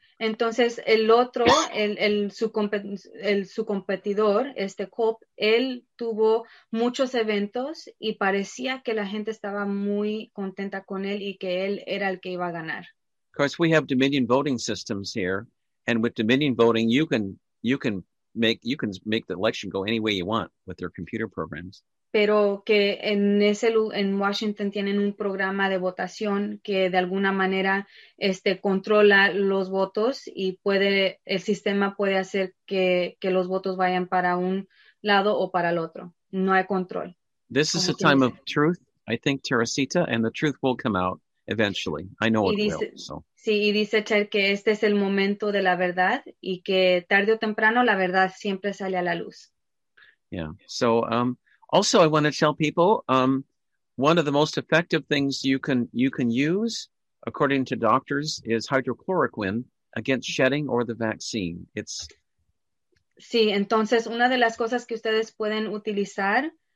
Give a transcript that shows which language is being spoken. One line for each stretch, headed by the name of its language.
Spanish: Entonces, el otro, su competidor, Culp, él tuvo muchos eventos y parecía que la gente estaba muy contenta con él y que él era el que iba a ganar.
English: Of course, we have Dominion voting systems here, and with Dominion voting, you can make the election go any way you want with their computer programs.
Spanish: Pero que en Washington tienen un programa de votación que de alguna manera controla los votos y el sistema puede hacer que los votos vayan para un lado o para el otro. No hay control.
English: This is a time of truth, I think, Teresita, and the truth will come out eventually. I know it will. So.
Spanish: Sí, y dice Ted que este es el momento de la verdad y que tarde o temprano la verdad siempre sale a la luz.
English: Yeah, so... Also, I want to tell people one of the most effective things you can use, according to doctors, is hydrochloroquine against shedding or the vaccine. It's
Spanish: sí. Entonces, una de las cosas que ustedes pueden utilizar.